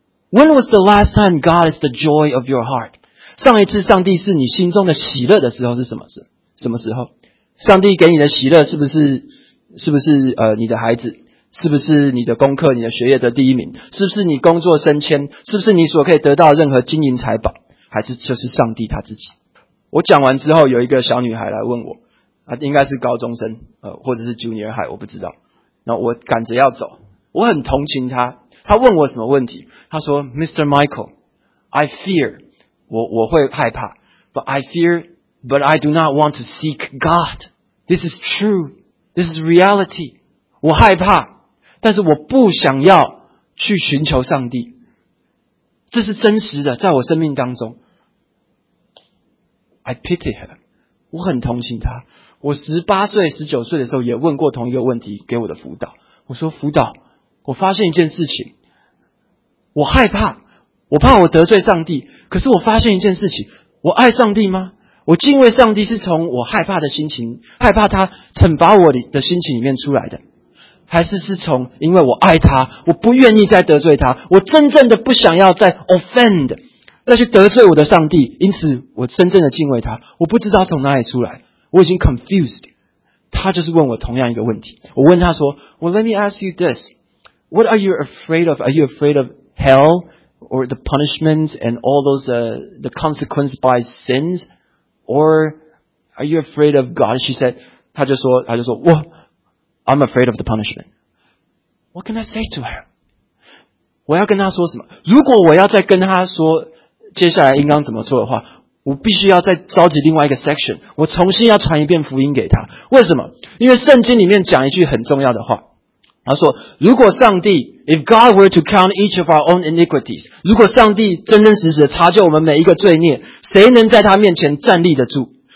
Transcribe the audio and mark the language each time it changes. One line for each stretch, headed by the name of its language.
English: When was the last time God is the joy of your heart？
Chinese: 上一次上帝是你心中的喜乐的时候是什么事？什么时候上帝给你的喜乐？是不是你的孩子？是不是你的功课、你的学业的第一名？是不是你工作升迁？是不是你所可以得到任何金银财宝？还是就是上帝他自己？我讲完之后，有一个小女孩来问我，她应该是高中生，或者是
English: junior high，
Chinese: 我不知道。然后我赶着要走，我很同情她。她问我什么问题？她说 ：“Mr. Michael，
English: I fear，
Chinese: 我会害怕 ，
English: but I fear。” But I do not want to seek God. This is true. This is reality.
Chinese: 我害怕，但是我不想要去寻求上帝。这是真实的，在我生命当中。
English: I pity her.
Chinese: 我很同情她。我18岁、19岁的时候也问过同一个问题给我的辅导。我说，辅导，我发现一件事情。我害怕，我怕我得罪上帝，可是我发现一件事情，我爱上帝吗？我敬畏上帝是从我害怕的心情，害怕他惩罚我的心情里面出来的，还是从因为我爱他，我不愿意再得罪他，我真正的不想要再 offend， 再去得罪我的上帝，因此我真正的敬畏他。我不知道从哪里出来，我已经 confused。他就是问我同样一个问题。我问他说，
English: Well, let me ask you this. What are you afraid of? Are you afraid of hell or the punishment and all those the consequence by sins? Or are you afraid of God? She said,
Chinese: 他就说
English: well, I'm afraid of the punishment. What can I say to her?
Chinese: 我要跟他说什么？如果我要再跟他说接下来应当怎么做的话，我必须要再召集另外一个 section， 我重新要传一遍福音给他。为什么？因为圣经里面讲一句很重要的话，他说，如果上帝
English: If God were to count each of our own iniquities，
Chinese: 如果上帝真真实实的察觉我们每一个罪孽，谁能在他面前站立得住？